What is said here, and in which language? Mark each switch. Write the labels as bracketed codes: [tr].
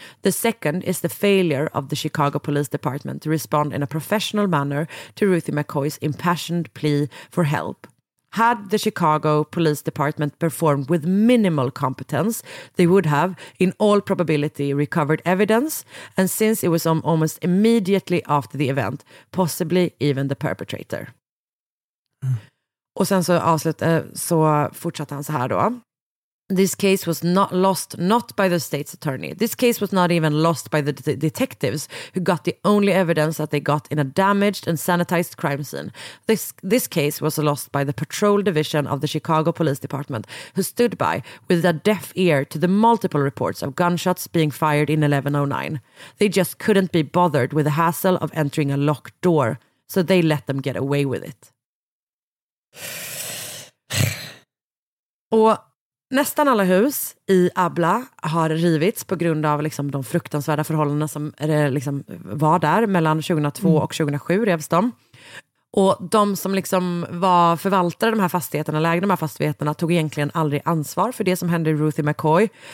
[en] The second is the failure of the Chicago Police Department to respond in a professional manner to Ruthie McCoy's impassioned plea for help. Had the Chicago Police Department performed with minimal competence, they would have, in all probability, recovered evidence, and since it was almost immediately after the event, possibly even the perpetrator." [sv] Och sen så fortsatte han så här då: [en] This case was not lost, not by the state's attorney. This case was not even lost by the detectives who got the only evidence that they got in a damaged and sanitized crime scene. This case was lost by the patrol division of the Chicago Police Department, who stood by with a deaf ear to the multiple reports of gunshots being fired in 1109. They just couldn't be bothered with the hassle of entering a locked door, so they let them get away with it. [sv] Och nästan alla hus i Abla har rivits på grund av liksom de fruktansvärda förhållanden som liksom var där mellan 2002 och 2007 revs de. Och de som liksom var förvaltare av de här fastigheterna, lägde de här fastigheterna, tog egentligen aldrig ansvar för det som hände i Ruthie McCoy.